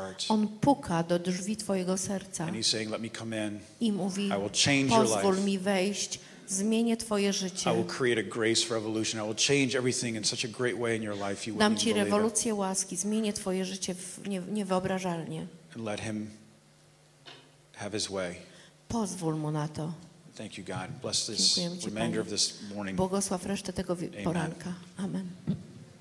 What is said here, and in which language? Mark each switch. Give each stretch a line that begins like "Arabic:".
Polish: On puka do drzwi twojego serca
English: and he's saying, let me come in.
Polish: I mówi,
English: I will change
Polish: pozwól
English: your life.
Polish: Mi wejść. Zmienię twoje życie.
English: I will create a grace revolution. I will change everything in such a great way in your life. You
Polish: dam ci rewolucję łaski. Zmienię twoje życie niewyobrażalnie.
English: And let him have his way.
Polish: Pozwól mu na to.
English: Thank you, God. Bless this remainder of this morning.
Polish: Błogosław resztę tego poranka. Amen.